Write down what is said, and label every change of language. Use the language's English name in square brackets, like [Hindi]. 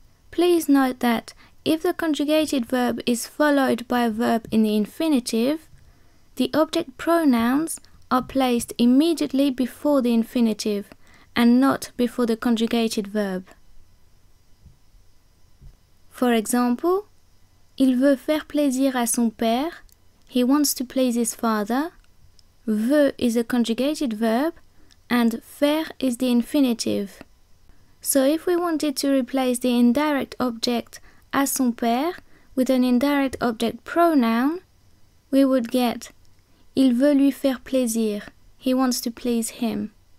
[English] Please note that if the conjugated verb is followed by a verb in the infinitive, the object pronouns are placed immediately before the infinitive and not before the conjugated verb. For example, [French] il veut faire plaisir à son père. [English] He wants to please his father. Veut is a conjugated verb and faire is the infinitive. So if we wanted to replace the indirect object à son père with an indirect object pronoun, We would get, [French] il veut lui faire plaisir. [English] He wants to please him.